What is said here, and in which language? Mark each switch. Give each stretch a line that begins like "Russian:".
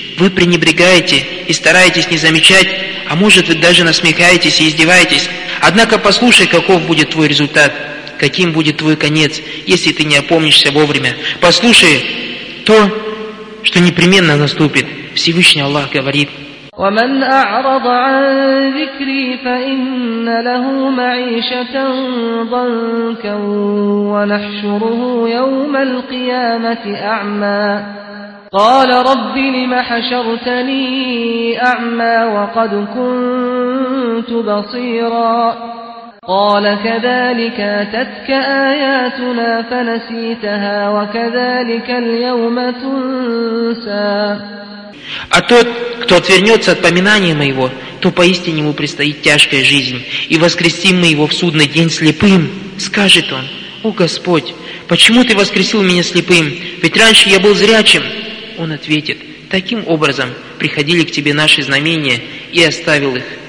Russian: Вы пренебрегаете и стараетесь не замечать, а может, вы даже насмехаетесь и издеваетесь. Однако послушай, каков будет твой результат, каким будет твой конец, если ты не опомнишься вовремя. Послушай то, что непременно наступит. Всевышний Аллах говорит:
Arabic: ومن أعرض عن ذكري فإن له معيشة ضنكا ونحشره يوم القيامة أعمى قال رب لم حشرتني أعمى وقد كنت بصيرا قال كذلك أتتك آياتنا فنسيتها وكذلك اليوم تنسى.
Russian: А тот, кто отвернется от поминания моего, то поистине ему предстоит тяжкая жизнь, и воскресим мы его в судный день слепым. Скажет он: «О Господь, почему ты воскресил меня слепым? Ведь раньше я был зрячим». Он ответит: «Таким образом приходили к тебе наши знамения, и оставил их.